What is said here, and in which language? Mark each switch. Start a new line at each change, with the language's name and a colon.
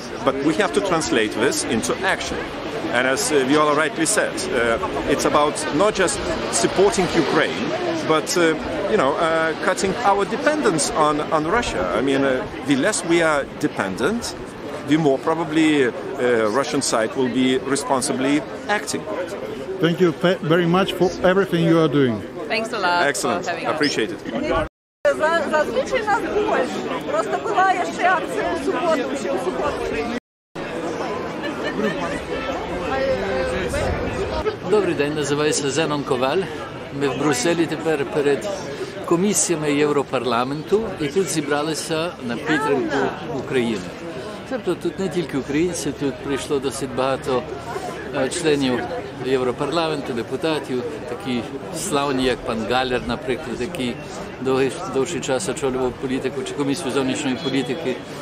English: But we have to translate this into action. And as Viola rightly said, it's about not just supporting Ukraine, but cutting our dependence on Russia. I mean, the less we are dependent, the more probably Russian side will be responsibly acting. Thank you very much for everything you are doing. Thanks a lot. Excellent. Appreciate it.
Ukrainian: Зазвичай нас больше.
Russian: Просто была еще акция в субботу, еще в субботу.
Ukrainian: Добрий день, називаюся Зенон Коваль. Ми в Брюсселі тепер перед комісіями Європарламенту і тут зібралися на підтримку України. Тобто тут не тільки українці, тут прийшло досить багато членів Європарламенту, депутатів, такі славні, як пан Галлер, наприклад, який довший час очолював політику чи комісію зовнішньої політики.